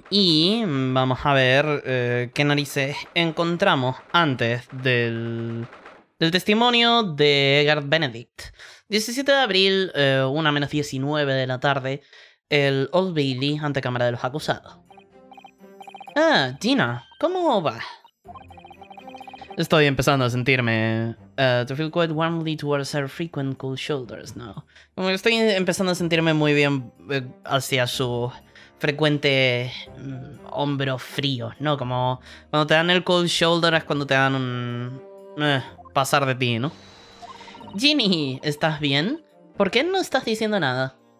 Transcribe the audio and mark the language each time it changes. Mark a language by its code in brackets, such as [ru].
[es] Y vamos a ver qué narices encontramos antes del testimonio de Edgar Benedict. 17 de abril, 1:19 de la tarde, el Old Bailey ante Cámara de los Acusados. Ah, Gina, ¿cómo va? Estoy empezando a sentirme... [en] to feel quite warmly towards her frequent cold shoulders now. [es] Estoy empezando a sentirme muy bien hacia su frecuente hombro frío, ¿no? Como cuando te dan el cold shoulder es cuando te dan un... pasar de ti, ¿no? Ginny, ¿estás bien? ¿Por qué no estás diciendo nada?